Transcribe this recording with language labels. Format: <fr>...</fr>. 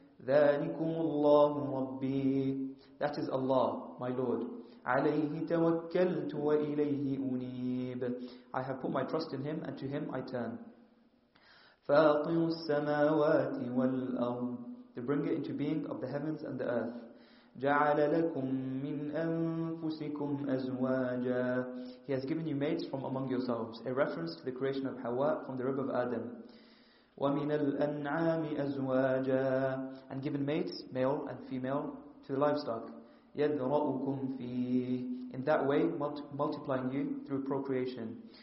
<ar>ذَلِكُمُ اللَّهُ رَبِّي</ar> <en>That is Allah, my Lord.</en> <ar>عَلَيْهِ تَوَكَّلْتُ وَإِلَيْهِ أُنِيبُ</ar> <en>I have put my trust in Him and to Him I turn.</en> <ar>فاطر السماوات والأرض</ar> <en>The bringer into being of the heavens and the earth.</en> <ar>جعل لكم من أنفسكم أزواجا</ar> <en>He has given you mates from among yourselves. A reference to the creation of Hawa from the rib of Adam.</en> <ar>ومن الأنعام أزواجا</ar> <en>And given mates, male and female, to the livestock.</en> <ar>يذرأكم فيه</ar> <en>In that way, multiplying you through procreation.</en>